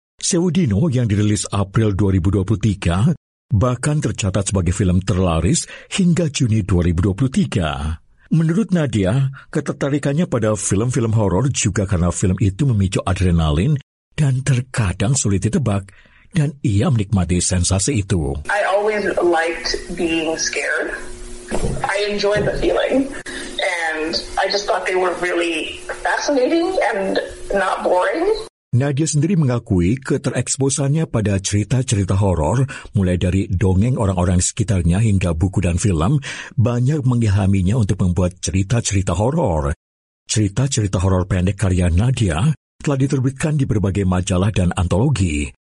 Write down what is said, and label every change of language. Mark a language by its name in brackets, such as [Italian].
[Indonesian] Seudino, yang dirilis April 2023, bahkan tercatat sebagai film terlaris hingga Juni 2023. Menurut Nadia, ketertarikannya pada film-film horor juga karena film itu memicu adrenalin dan terkadang sulit ditebak, dan ia menikmati sensasi itu. [English] I always liked being scared. I enjoyed the feeling. And I just thought they were really fascinating and not boring. [Indonesian] Nadia sendiri mengakui ketereksposannya pada cerita-cerita horor, mulai dari dongeng orang-orang di sekitarnya hingga buku dan film, banyak mengilhaminya untuk membuat cerita-cerita horor. Cerita-cerita horor pendek karya Nadia telah diterbitkan di berbagai majalah dan antologi.